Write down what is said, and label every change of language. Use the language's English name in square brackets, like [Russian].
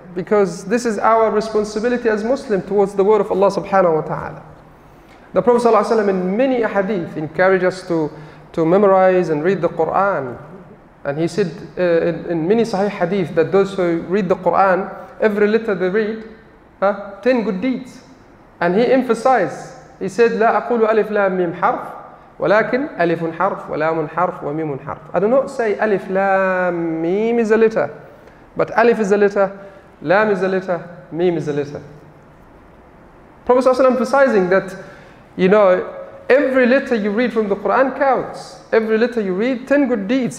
[English] Because this is our responsibility as Muslim towards the word of Allah subhanahu wa ta'ala. The Prophet sallallahu alaihi wasallam, in many hadith, encouraged us to memorize and read the Quran. And he said in many sahih hadith that those who read the Quran, every letter they read, 10 good deeds. And he emphasized, he said, [Arabic] لا أقول ألف لام ميم حرف ولكن ألف حرف ولام حرف وميم حرف. [English] I do not say ألف لام ميم is a letter, but ألف is a letter, لام is a letter, ميم is a letter. Prophet ﷺ emphasizing that, you know, every letter you read from the Quran counts. Every letter you read, 10 good deeds.